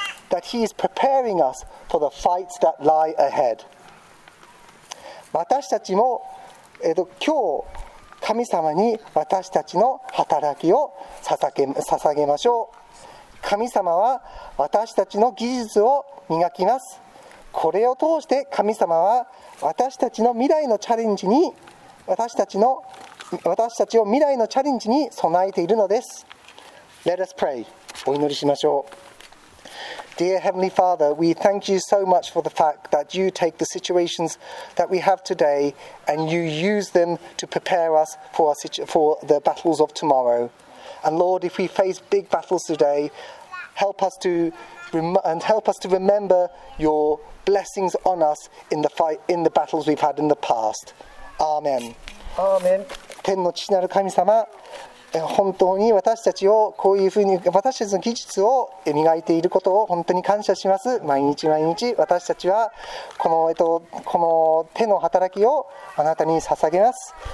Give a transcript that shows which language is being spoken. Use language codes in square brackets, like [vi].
[en] That he is preparing us for the fights that lie ahead. [ja] 私たちも、今日神様に私たちの働きを捧げましょう。神様は私たちの技術を磨きます。これを通して神様は私たちの未来のチャレンジに私たちを未来のチャレンジに備えているのです。 [en] Let us pray. [ja] お祈りしましょう。 [en] Dear Heavenly Father, we thank you so much for the fact that you take the situations that we have today and you use them to prepare us for the battles of tomorrow. And Lord, if we face big battles today, help us to remember your blessings on us in the fight, in the battles we've had in the past. Amen. Amen. [ja] 天の父なる神様、本当に私たちをこういうふうに私たちの技術を磨いていることを本当に感謝します。毎日毎日私たちはこの手の働きをあなたに捧げます。